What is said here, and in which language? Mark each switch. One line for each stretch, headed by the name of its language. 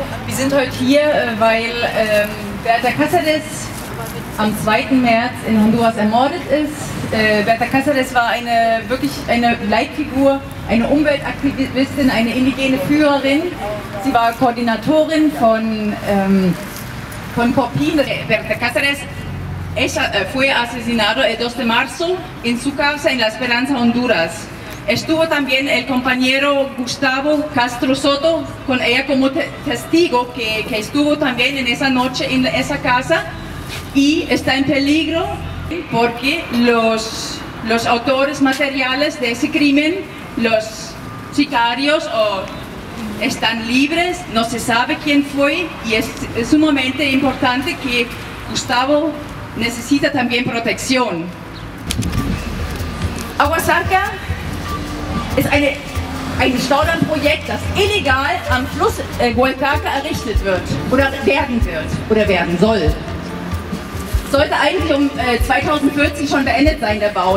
German: Wir sind heute hier, weil Berta Cáceres am 2. März in Honduras ermordet ist. Berta Cáceres war eine Leitfigur, eine Umweltaktivistin, eine indigene Führerin. Sie war Koordinatorin von Copin.
Spanish: Berta Cáceres, ella fue asesinado el 2 de marzo en su casa en La Esperanza, Honduras. Estuvo también el compañero Gustavo Castro Soto con ella como testigo que estuvo también en esa noche en esa casa y está en peligro porque los autores materiales de ese crimen, los sicarios, están libres, no se sabe quién fue y es sumamente importante que Gustavo necesita también protección.
German: Aguasarca
Spanish: es un
German: Staudammprojekt, das illegal am Fluss Huallcarca errichtet wird oder werden wird oder werden soll. Sollte eigentlich um 2040 schon beendet sein, der Bau.